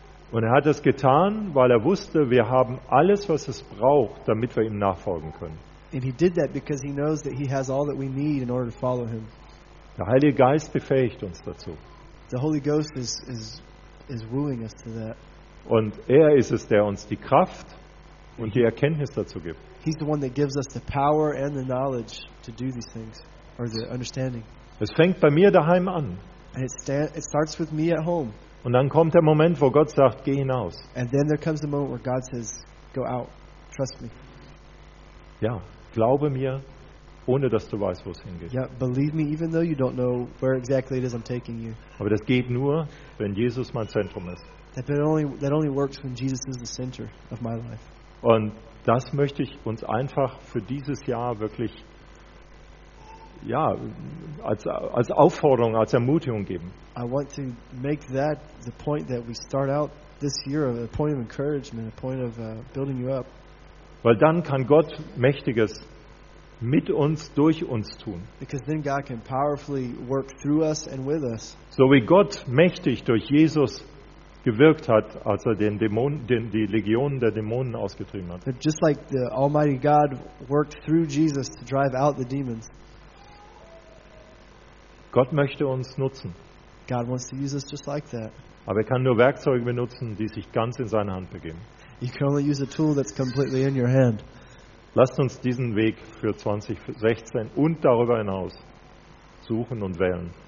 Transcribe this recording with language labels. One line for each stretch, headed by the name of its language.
German: Und hat das getan, weil wusste, wir haben alles, was es braucht, damit wir ihm nachfolgen können.
English: And he did that because he knows that he has all that we need in order to follow him.
German: Der Heilige Geist befähigt uns dazu.
English: The Holy Ghost is wooing us to that.
German: Und ist es, der uns die Kraft und die Erkenntnis dazu gibt.
English: He's the one that gives us the power and the knowledge to do these things, or the understanding.
German: Es fängt bei mir daheim an.
English: And it starts with me at home.
German: Und dann kommt der Moment, wo Gott sagt, geh hinaus.
English: And then there comes the moment where God says, go out, trust me.
German: Ja, glaube mir, ohne dass du weißt, wo es hingeht.
English: Yeah, believe me, even though you don't know where exactly it is I'm taking you.
German: Aber das geht nur, wenn Jesus mein Zentrum ist.
English: That only works when Jesus is the center of my life.
German: Und das möchte ich uns einfach für dieses Jahr wirklich, ja, als Aufforderung, als Ermutigung geben.
English: I want to make that the point that we start out this year, a point of encouragement, a point of building you up.
German: Weil dann kann Gott Mächtiges mit uns, durch uns tun.
English: Because then God can powerfully work through us and with us.
German: So wie Gott mächtig durch Jesus gewirkt hat, als die Legionen der Dämonen ausgetrieben hat.
English: But just like the Almighty God worked through Jesus to drive out the demons.
German: Gott möchte uns nutzen.
English: God wants to use us just like that.
German: Aber er kann nur Werkzeuge benutzen, die sich ganz in seine Hand begeben.
English: You can only use a tool that's completely in your hand.
German: Lasst uns diesen Weg für 2016 und darüber hinaus suchen und wählen.